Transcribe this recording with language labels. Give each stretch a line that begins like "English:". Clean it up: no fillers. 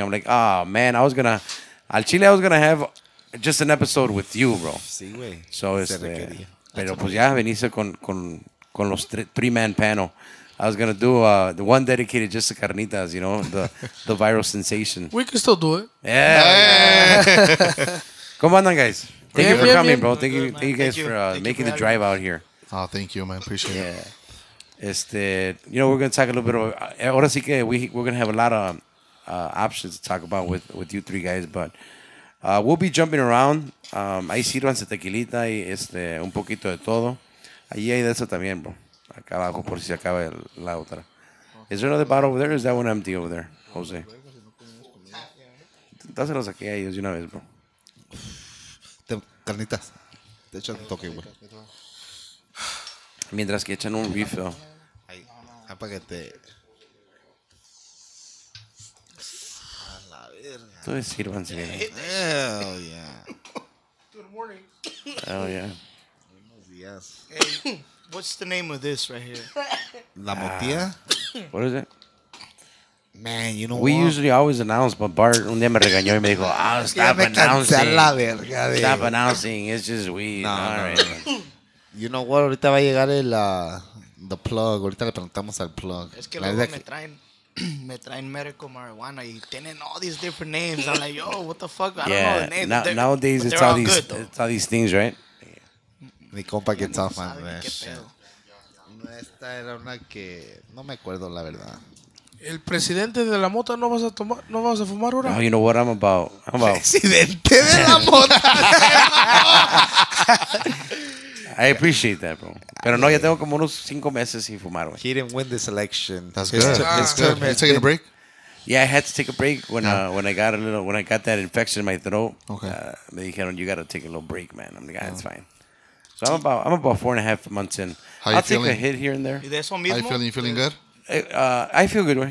English: I'm like, oh, man, I was gonna have just an episode with you, bro.
Spanish: Sí, güey. So, pero pues ya veniste con los
English: three-man panel. I was going to do the one dedicated just to Carnitas, you know, the viral sensation. We can still do it. Yeah. Come on, guys. Thank you for coming, bro. Thank you guys for making the drive out here. Oh, thank you, man. Appreciate it. We're going to talk a little bit about...
Spanish: Ahora sí que
English: we're going to have a lot of options to talk about with you three guys, but we'll be jumping around.
Spanish: Ahí sírvanse tequilita y un poquito de todo. Allí hay de eso también, bro. Acá abajo, por si se acaba la otra.
English: Is there another bottle over there, or is that one empty over there, Jose?
Spanish: Dáselos aquí a ellos de una vez, bro. Carnitas. Te echan un toque, güey. Mientras que echan un refill. Ahí, para que te... A la verga. Todos sírvanse.
English: Hell yeah. Good morning. Hell yeah.
Spanish: Buenos días.
English: What's the name of this right here?
Spanish: La Motilla?
English: What is it? Man, you know we what? We usually always announce, but Bart
Spanish: un día me regañó y me dijo,
English: stop announcing.
Spanish: La verga,
English: stop announcing. It's just weed. No, all right. You know what?
Spanish: Ahorita va a llegar
English: the plug.
Spanish: Ahorita le preguntamos al plug. Es que luego me traen medical marijuana y tienen
English: all these different names. I'm like, yo, what the fuck? Yeah. I don't know the names. No, nowadays, it's all, these, good, it's all these things, right?
Spanish: Mi compa que está fan, no, esta era una que no me acuerdo la verdad. El presidente de la mota no vas a tomar, no vas a fumar ahora.
English: No, you know what I'm about.
Spanish: Presidente de la mota.
English: I appreciate that, bro.
Spanish: Pero ya tengo como unos 5 meses sin fumar, güey.
English: He didn't win this election. That's good. It's good. You taking a break? Yeah, I had to take a break when I got that infection in my throat. Okay.
Spanish: Me dijeron,
English: you got to take a little break, man. I'm like, that's fine. So I'm about 4.5 months in. How you I'll feeling? Take a hit here and there. How you feeling? You feeling good? I feel good, right?